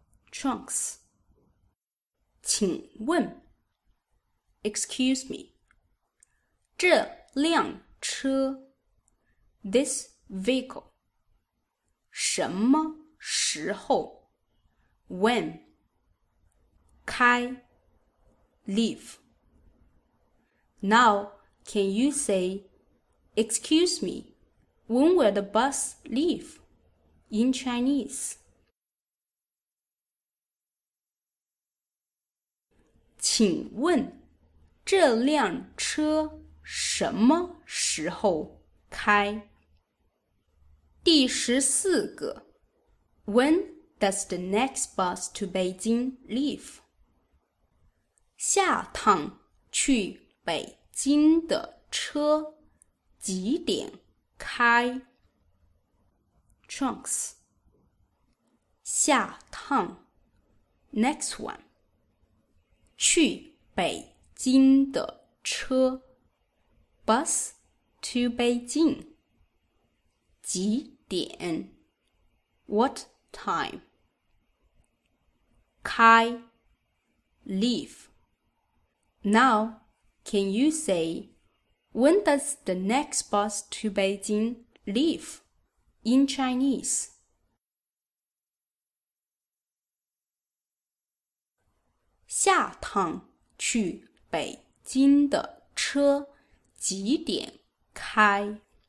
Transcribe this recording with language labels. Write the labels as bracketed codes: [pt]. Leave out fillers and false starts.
[en] Trunks [zh] 请问 [en] Excuse me [zh] 这辆车 [en] This vehicle [zh] 什么时候 [en] When [zh] 开 [en] Leave Now, can you say, Excuse me, when will the bus leave? In Chinese. [zh] 请问这辆车什么时候开？第十四个。 [en] When does the next bus to Beijing leave? [zh] 下趟去北京的车几点开 ？ [en] Trunks， [zh] 下趟 ， [en] next one， [zh] 去北京的车 ， [en] bus to Beijing， [zh] 几点 ？ [en] What time？ [zh] 开 [en] ，leave， now。 Can you say, when does the next bus to Beijing leave in Chinese? [zh] 下趟去北京的车几点开？